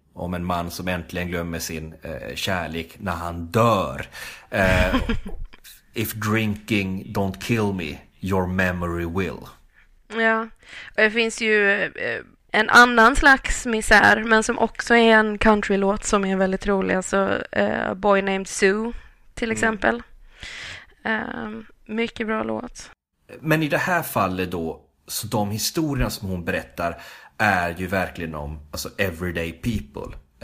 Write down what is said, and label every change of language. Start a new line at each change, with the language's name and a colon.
Swedish: Om en man som äntligen glömmer sin kärlek när han dör.
English: If drinking don't kill me, your memory will.
Swedish: Ja, och det finns ju en annan slags misär, men som också är en countrylåt som är väldigt rolig. Alltså Boy Named Sue, till exempel. Mycket bra låt. Men i det här fallet då, så de historierna som hon berättar är ju verkligen om, alltså,
English: everyday people.